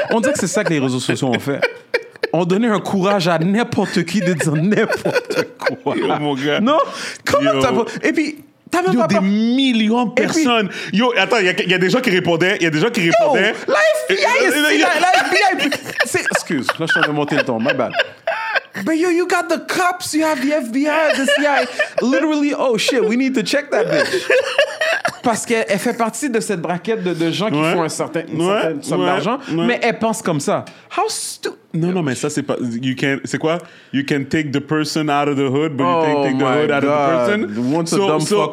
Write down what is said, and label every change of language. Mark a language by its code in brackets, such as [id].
[fr] On dirait que c'est ça que les réseaux sociaux ont fait. On donnait un courage à n'importe qui de dire n'importe quoi. Yo, mon gars. Non? Comment t'as pas... Et puis, t'as même yo, pas... Yo, des millions de personnes. Puis... Yo, attends, il y a des gens qui répondaient. Il y a des gens qui répondaient. La FBI est ici. La FBI est... C'est... Excuse, là, je suis en train de monter le ton. [en] My bad. But yo, you got the cops. You have the FBI, the CIA. Literally, oh shit, we need to check that bitch. [fr] Parce qu'elle fait partie de cette braquette de gens qui font une certaine somme d'argent. Ouais. Mais elle pense comme ça. How stupid. Non, non, mais ça, c'est pas... You can, c'est quoi? [en] You can take the person out of the hood, but you can't take the hood out of the person.